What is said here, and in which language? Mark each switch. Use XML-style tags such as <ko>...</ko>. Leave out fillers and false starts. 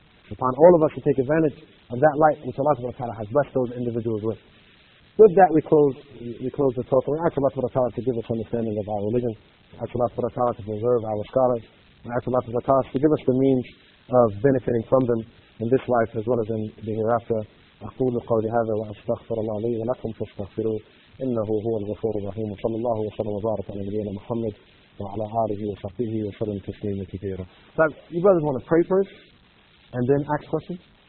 <en>It's upon all of us to take advantage of that light which Allah Subhanahu wa Ta'ala has blessed those individuals with. With that, we close the talk. We ask Allah Subhanahu wa Ta'ala to give us understanding of our religion. We ask Allah Subhanahu wa Ta'ala to preserve our scholars. We ask Allah Subhanahu wa Ta'ala to give us the means of benefiting from them in this life as well as in the hereafter.</en> <ar>أقول قولي هذا وأستغفر الله لي ولكم فاستغفروه إنه هو الغفور الرحيم صلى الله وسلم وبارك على نبينا محمد وعلى آله وصحبه وسلم تسليما كثيرا.</ar> <en>So you brothers want to pray first and then ask questions?</en>